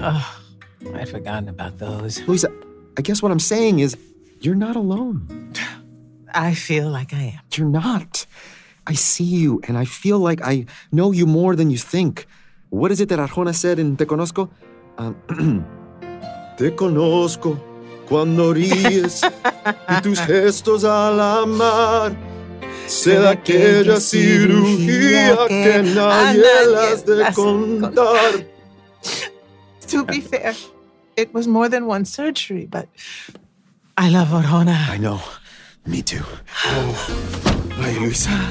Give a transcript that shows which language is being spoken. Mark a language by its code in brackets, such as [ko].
[en] Oh, I'd forgotten about those. Luisa, I guess what I'm saying is you're not alone. I feel like I am. You're not. I see you, and I feel like I know you more than you think. What is it that Arjona said in Te Conozco? [es] Te conozco cuando ríes y tus gestos al amar sé de aquella cirugía que nadie las de contar. [en] To be fair, it was more than one surgery, but I love Arjona. I know. Me too. Oh, hi, Luisa.